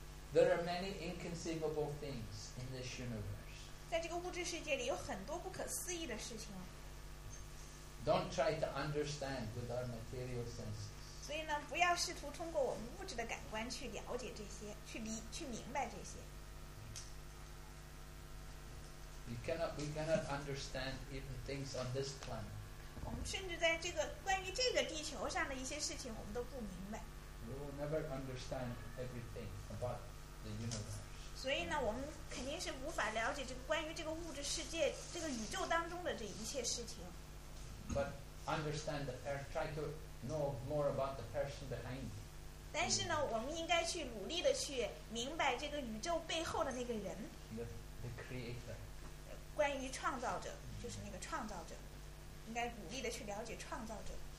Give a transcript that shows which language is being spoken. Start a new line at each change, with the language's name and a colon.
English: There are many inconceivable things in this universe.
Chinese: 在这个物质世界里有很多不可思议的事情。
English: Don't try to understand with our material senses.
Chinese: 所以呢，不要试图通过我们物质的感官去了解这些，去明白这些。
English: We cannot understand even things on this planet.
Chinese: 我们甚至在这个关于这个地球上的一些事情，我们都不明白。
English: We will never understand everything about.
Chinese: 所以呢，我们肯定是无法了解这个关于这个物质世界、这个宇宙当中的这一切事情。
English: But understand the try to know more about the person behind.
Chinese: 但是呢，我们应该去努力的去明白这个宇宙背后的那个人。
English: The creator.
Chinese: 关于创造者，就是那个创造者，应该努力的去了解创造者。